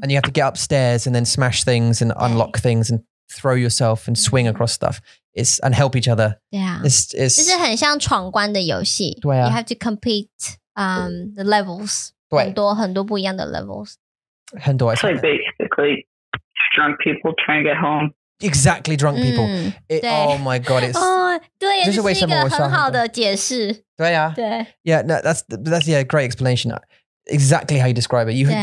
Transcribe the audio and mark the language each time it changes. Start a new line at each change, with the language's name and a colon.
English: And you have to get upstairs and then smash things and unlock things and throw yourself and swing across stuff. It's and help each other. It's you have to complete the levels.
Chinese: 很多不一样的levels.
English: It's like basically drunk people trying to get home. Exactly, drunk people. Oh my god, it's...
Chinese: Oh, 这是一个很好的解释。对啊。对。
English: Yeah, no, that's yeah, great explanation. Exactly how you describe it.